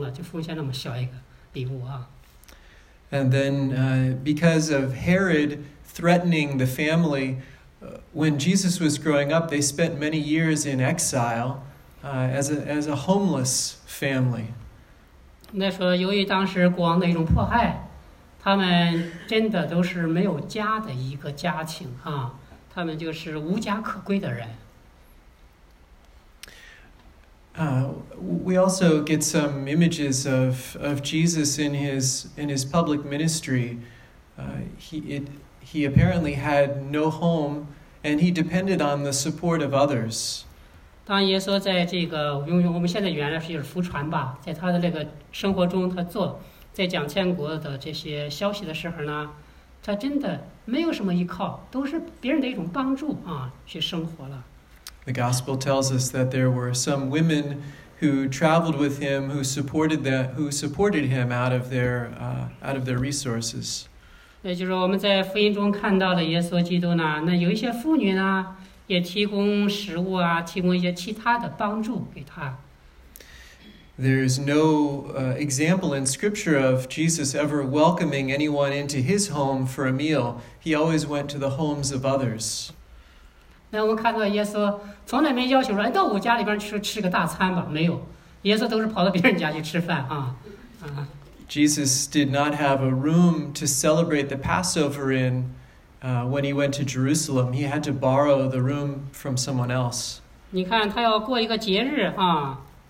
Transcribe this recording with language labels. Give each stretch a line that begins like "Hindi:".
Chinese: 那我们知道，人家富有的人，人家说，哎呀，生个儿子可是个大事儿，咱就是那奉献个牛吧，啊，你看那他们两个太穷了，就奉献那么小一个礼物啊。
English: And then because of Herod threatening the family, when Jesus was growing up, they spent many years in exile as a homeless family.
Chinese: 那说由于当时国王的一种迫害，他们真的都是没有家的一个家庭啊，他们就是无家可归的人。
English: We also get some images of Jesus in his public ministry. He apparently had no home, and he depended on the support of others.
Chinese: 当耶稣在这个我们现在原来是浮传吧，在他的那个生活中，他做在讲天国的这些消息的时候呢，他真的没有什么依靠，都是别人的一种帮助啊，去生活了。
English: The gospel tells us that there were some women who traveled with him, who supported them, who supported him out of their resources.
Chinese: 那就是我们在福音中看到的耶稣基督呢, 那有一些妇女呢, 也提供食物啊, 提供一些其他的帮助给他。
English: There is no example in scripture of Jesus ever welcoming anyone into his home for a meal. He always went to the homes of others.
Chinese: 那我们看到耶稣从来没要求说到我家里边去吃个大餐吧，没有，耶稣都是跑到别人家去吃饭啊。
English: Jesus did not have a room to celebrate the Passover in when he went to Jerusalem. He had to borrow the room from someone else.
Chinese: 你看他要过一个节日啊。